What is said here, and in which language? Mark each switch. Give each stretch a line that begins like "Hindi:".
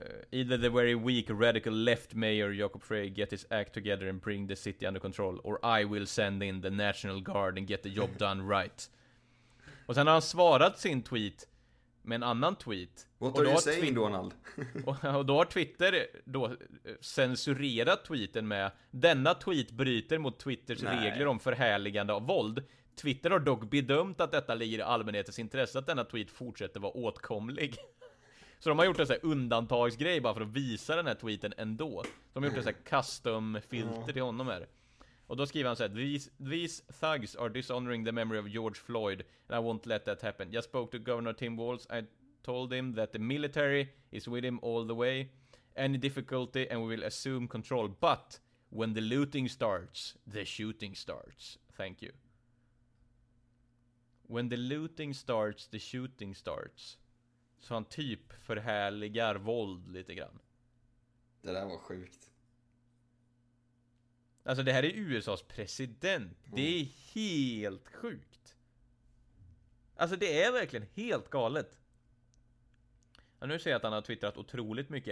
English: Either the very weak radical left mayor Jakob Frey get his act together and bring the city under control, or I will send in the National Guard and get the job done right.
Swedish: Och sen har han svarat sin tweet med en annan tweet.
English: What are you saying, Donald?
Swedish: Och då har Twitter då censurerat tweeten med: denna tweet bryter mot Twitters regler om förhärligande av våld. Twitter har dock bedömt att detta ligger i allmänhetens intresse att denna tweet fortsätter vara åtkomlig. Så de har gjort en sån här undantagsgrej bara för att visa den här tweeten ändå. De har gjort en sån här custom-filter till honom här. Och då skriver han så här:
English: these thugs are dishonoring the memory of George Floyd and I won't let that happen. I spoke to Governor Tim Walz. I told him that the military is with him all the way. Any difficulty and we will assume control. But when the looting starts, the shooting starts. Thank you. When the looting starts, the shooting starts.
Swedish: Så han typ förhärligar våld lite grann. Det där var sjukt. Alltså det här är USA:s president. Mm. Det är helt sjukt. Alltså det är verkligen helt galet. Ja, nu ser jag att han har twittrat otroligt mycket.